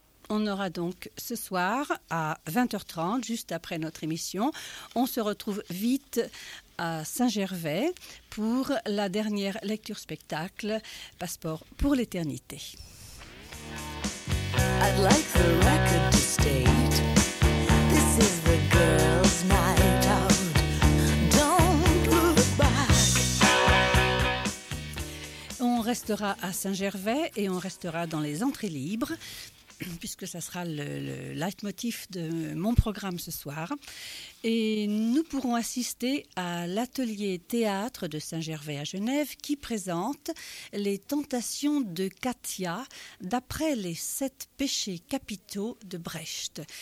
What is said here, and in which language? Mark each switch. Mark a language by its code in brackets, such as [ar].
[fr] On aura donc ce soir à 20h30, juste après notre émission. On se retrouve vite à Saint-Gervais pour la dernière lecture spectacle, Passeport pour l'éternité. [en] I'd like the record to state. This is the girl's night out. Don't look back. [fr] On restera à Saint-Gervais et on restera dans les entrées libres. Puisque ça sera le leitmotiv de mon programme ce soir. Et nous pourrons assister à l'atelier théâtre de Saint-Gervais à Genève qui présente les tentations de Katia d'après les sept péchés capitaux de Brecht.